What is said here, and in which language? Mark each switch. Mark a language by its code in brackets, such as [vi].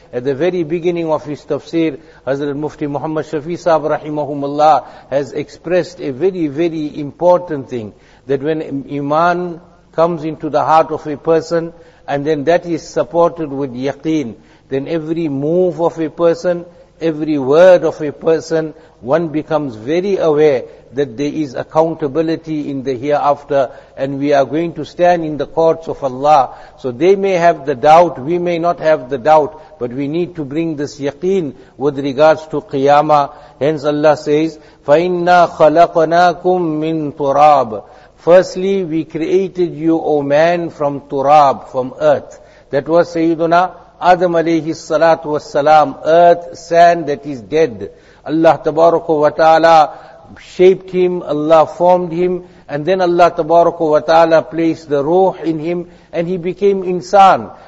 [en] At the very beginning of his tafsir, Hazrat Mufti Muhammad Shafi Sahib rahimahumullah has expressed a very, very important thing, that when iman comes into the heart of a person and then that is supported with yaqeen, then every move of a person, every word of a person, one becomes very aware that there is accountability in the hereafter, and we are going to stand in the courts of Allah. So they may have the doubt, we may not have the doubt, but we need to bring this yaqeen with regards to Qiyamah. [ar] Hence Allah says, فَإِنَّا خَلَقْنَاكُمْ مِنْ تُرَابٍ. [en] Firstly, we created you, O man, from turab, from earth. That was Sayyiduna Adam alayhi salatu was salam, earth, sand that is dead. Allah tabaraka wa ta'ala shaped him, Allah formed him, and then Allah tabaraka wa ta'ala placed the ruh in him, and he became insan.